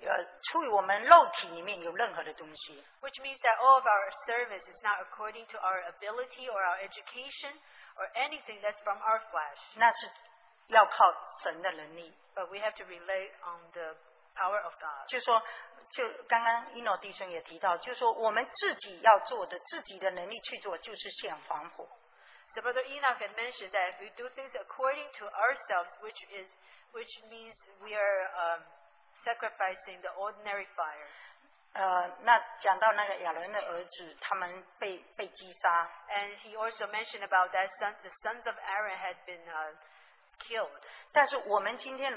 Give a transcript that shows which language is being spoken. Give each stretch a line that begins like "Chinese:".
Chinese: 就是意思说我们所有的服事不是出于我们自己的能力或者我们的学问或者我们的出于我们肉体里面有任何的东西。
English: Which means that all of our service is not according to our ability or our education or anything that's from our flesh.
Chinese: 那是要靠神的能力。
English: But we have to rely on the power of God.
Chinese: 就说 就刚刚Eno弟兄也提到，就是说我们自己要做的，自己的能力去做，就是献黄埔。
English: So Brother Enoch had mentioned that if we do things according to ourselves, which means we are sacrificing the ordinary fire.
Chinese: 那讲到那个亚伦的儿子，他们被击杀。
English: And he also mentioned about that the sons of Aaron had been killed.